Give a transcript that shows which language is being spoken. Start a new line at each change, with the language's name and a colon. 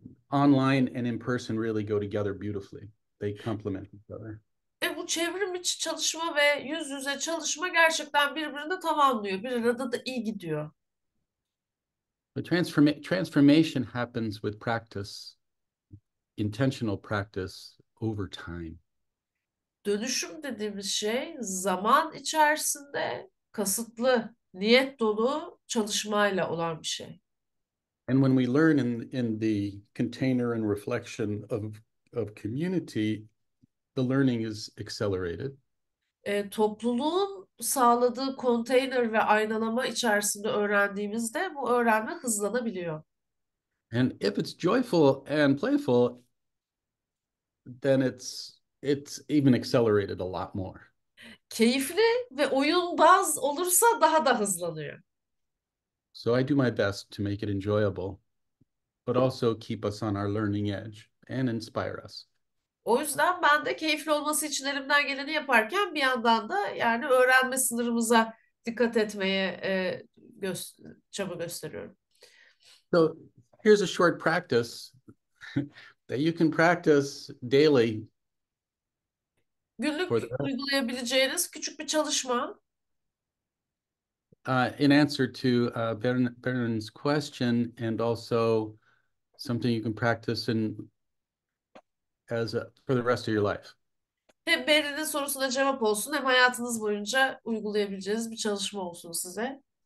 English: Online and in person really go together beautifully. They complement each other.
Turkish: Bu çevrim içi çalışma ve yüz yüze çalışma gerçekten birbirini tamamlıyor. Bir arada da iyi gidiyor.
English: Transformation happens with practice, intentional practice over time.
Turkish: Dönüşüm dediğimiz şey zaman içerisinde kasıtlı, niyet dolu çalışmayla olan bir şey.
English: And when we learn in the container and reflection of community, the learning is accelerated.
Turkish: Topluluğun sağladığı konteyner ve aynalama içerisinde öğrendiğimizde bu öğrenme hızlanabiliyor.
English: And if it's joyful and playful, then it's even accelerated a lot more.
Turkish: Keyifli ve oyunbaz olursa daha da hızlanıyor.
English: So I do my best to make it enjoyable, but also keep us on our learning edge and inspire us.
Turkish: O yüzden ben de keyifli olması için elimden geleni yaparken bir yandan da yani öğrenme sınırımıza dikkat etmeye çaba gösteriyorum.
English: So here's a short practice that you can practice daily for
Turkish: Günlük
English: the
Turkish: uygulayabileceğiniz küçük bir çalışma.
English: in answer to Bernard's question and also something you can practice in as a, for the rest of your life.
Turkish: Hem Beri'nin sorusuna cevap olsun, hem hayatınız boyunca uygulayabileceğiniz bir çalışma olsun size.